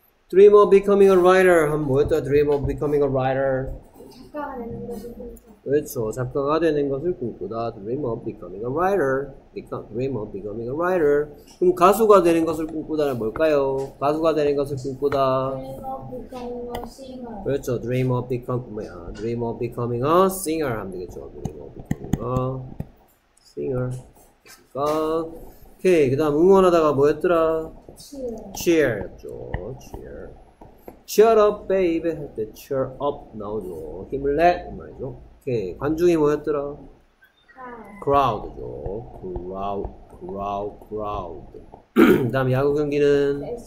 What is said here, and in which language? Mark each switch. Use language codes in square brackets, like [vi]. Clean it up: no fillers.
[en] Dream of becoming a writer. [ko] 한 뭐였다? [en] Dream of becoming a writer. [ko] 작가가 되는 것을 꿈꾸다. 그렇죠. 작가가 되는 것을 꿈꾸다. [en] Dream of becoming a writer. Dream of becoming a writer. [ko] 그럼 가수가 되는 것을 꿈꾸다는 뭘까요? 가수가 되는 것을 꿈꾸다. [en] Dream of becoming a singer. [ko] 그렇죠. [en] Dream of becoming a singer. [ko] 하면 되겠죠. [en] Dream of becoming a singer. [ko] 그러니까. 오케이. 그 다음 응원하다가 뭐였더라? [en] Cheer. Cheer였죠. Cheer. Cheer up, baby. [ko] 할 때 [en] cheer up [ko] 나오죠. 힘을 내. 말이죠. 오케이. 관중이 뭐였더라? [en] Crowd. Crowd죠. Crowd, crowd, crowd. [ko] 그 다음 야구 경기는?